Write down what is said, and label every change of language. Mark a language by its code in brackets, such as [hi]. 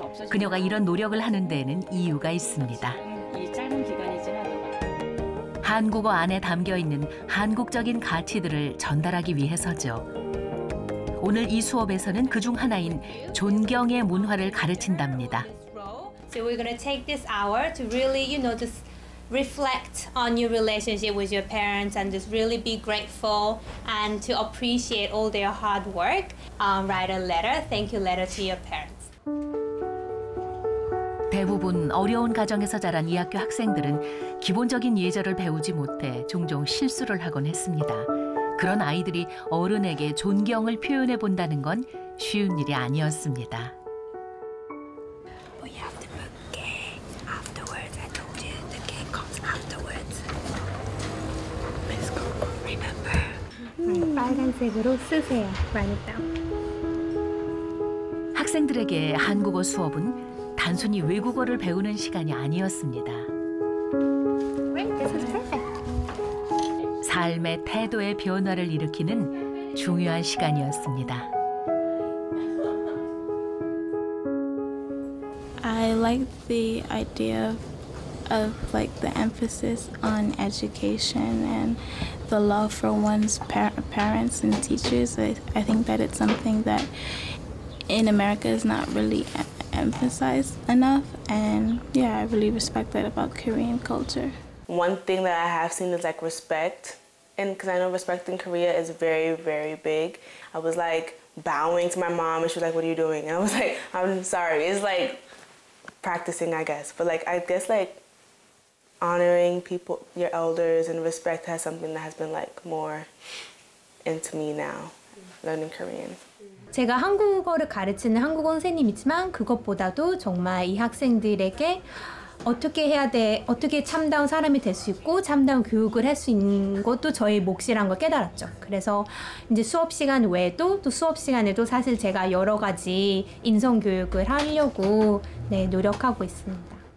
[ko] 그녀가 이런 노력을 하는 데에는 이유가 있습니다. 한국어 안에 담겨 있는 한국적인 가치들을 전달하기 위해서죠. 오늘 이 수업에서는 그중 하나인 존경의 문화를 가르친답니다. [en] So we're going to take this hour to really, you know, just reflect on your relationship with your parents and just really be grateful and to appreciate all their hard work. Write a letter, thank you letter to your parents. [ko] 대부분 어려운 가정에서 자란 이 학교 학생들은 기본적인 예절을 배우지 못해 종종 실수를 하곤 했습니다. 그런 아이들이 어른에게 존경을 표현해 본다는 건 쉬운 일이 아니었습니다. [en] We have to put cake afterwards. I told you the cake comes afterwards. Miss Coco, remember? [ko] 빨간색으로 쓰세요. [en] Write it down. [ko] 학생들에게 한국어 수업은 단순히 외국어를 배우는 시간이 아니었습니다. [en] Great, this is perfect. [ko] 삶의 태도의 변화를 일으키는 중요한 시간이었습니다. [en] I like the idea of like the emphasis on education and the love for one's parents and teachers. I think that it's something that in America is not really emphasize enough, and yeah, I really respect that about Korean culture. One thing that I have seen is like respect, and because I know respect in Korea is very, very big. I was like bowing to my mom, and she was like, "What are you doing?" And I was like, "I'm sorry." It's like practicing, I guess. But like, I guess like honoring people, your elders, and respect has something that has been like more into me now, learning Korean. [ko] 제가 한국어를 가르치는 한국어 선생님이지만 그것보다도 정말 이 학생들에게 어떻게 해야 돼, 어떻게 참다운 사람이 될 수 있고 참다운 교육을 할 수 있는 것도 저의 몫이라는 걸 깨달았죠. 그래서 이제 수업 시간 외에도 또 수업 시간에도 사실 제가 여러 가지 인성 교육을 하려고 네, 노력하고 있습니다.